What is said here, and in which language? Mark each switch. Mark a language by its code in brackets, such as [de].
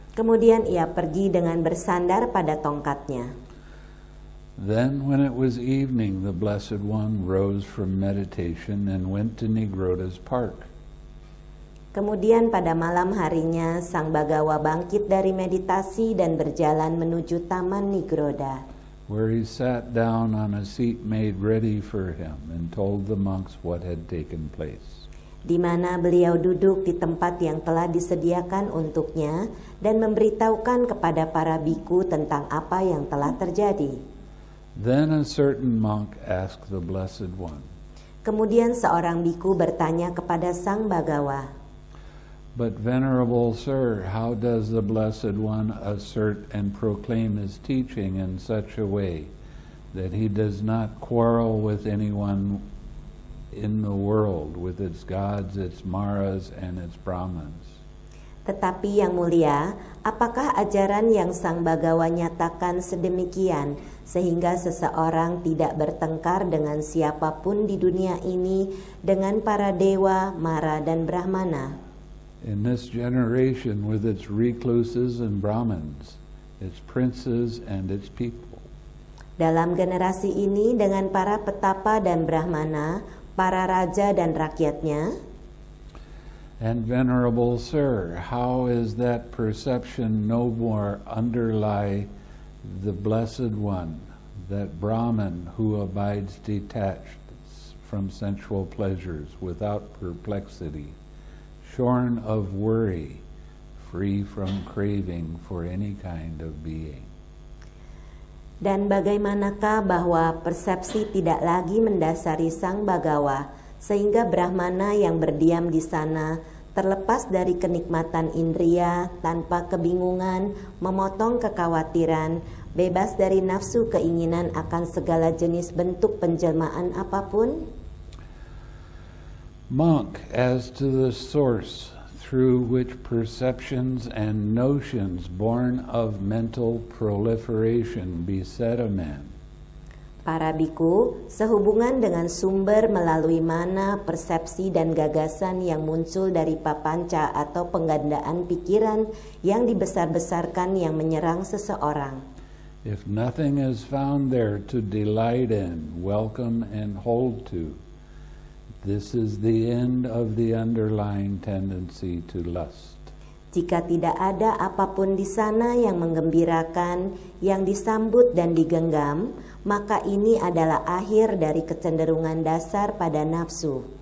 [id] Kemudian ia pergi dengan bersandar pada tongkatnya. [en] Then when it was evening, the Blessed One rose from meditation and went to Nigrodha's park. [id] Kemudian pada malam harinya, Sang Bhagava bangkit dari meditasi dan berjalan menuju Taman Nigrodha. [en] Where he sat down on a seat made ready for him and told the monks what had taken place. [id] Di mana beliau duduk di tempat yang telah disediakan untuknya dan memberitahukan kepada para bhikkhu tentang apa yang telah terjadi. [en] Then a certain monk asked the Blessed One. [id] Kemudian seorang bhikkhu bertanya kepada Sang Bhagava. [en] But venerable sir, how does the Blessed One assert and proclaim his teaching in such a way that he does not quarrel with anyone in the world, with its gods, its maras, and its brahmans? [id] Tetapi yang mulia, apakah ajaran yang Sang Bhagava nyatakan sedemikian sehingga seseorang tidak bertengkar dengan siapapun di dunia ini, dengan para dewa, mara, dan brahmana? [en] In this generation, with its recluses and brahmins, its princes and its people. [id] Dalam generasi ini dengan para petapa dan brahmana, para raja dan rakyatnya. [en] And venerable sir, how is that perception no more underlie the Blessed One, that Brahman who abides detached from sensual pleasures without perplexity, shorn of worry, free from craving for any kind of being? [id] Dan bagaimanakah bahwa persepsi tidak lagi mendasari Sang Bhagava, sehingga Brahmana yang berdiam di sana, terlepas dari kenikmatan indria, tanpa kebingungan, memotong kekhawatiran, bebas dari nafsu keinginan akan segala jenis bentuk penjelmaan apapun? [en] Monk, as to the source through which perceptions and notions born of mental proliferation beset a man. [id] Para bhikkhu, sehubungan dengan sumber melalui mana persepsi dan gagasan yang muncul dari papanca atau penggandaan pikiran yang dibesar-besarkan yang menyerang seseorang. [en] If nothing is found there to delight in, welcome and hold to, this is the end of the underlying tendency to lust. [id] Jika tidak ada apapun di sana yang menggembirakan, yang disambut dan digenggam, maka ini adalah akhir dari kecenderungan dasar pada nafsu.